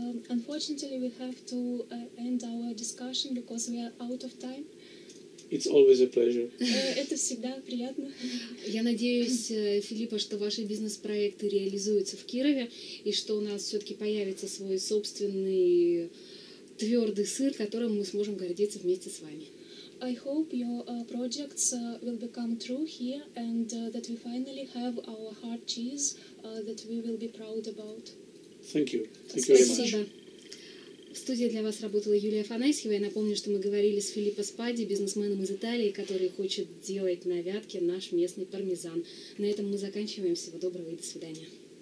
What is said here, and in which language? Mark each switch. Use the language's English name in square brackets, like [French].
[English] Unfortunately, we have to end our discussion because we are out of time. It's always a pleasure. [Russian] Это всегда приятно. Я надеюсь, Филиппа, что ваши бизнес-проекты реализуются в Кирове, и что у нас все-таки появится свой собственный твердый сыр, которым мы сможем гордиться вместе с вами. [English] I hope your projects will become true here, and that we finally have our hard cheese that we will be proud about. Thank you. Thank you very much. [Russian] В студии для вас работала Юлия Афанасьева. Я напомню, что мы говорили с Филиппо Спади, бизнесменом из Италии, который хочет делать на Вятке наш местный пармезан. На этом мы заканчиваем. Всего доброго и до свидания.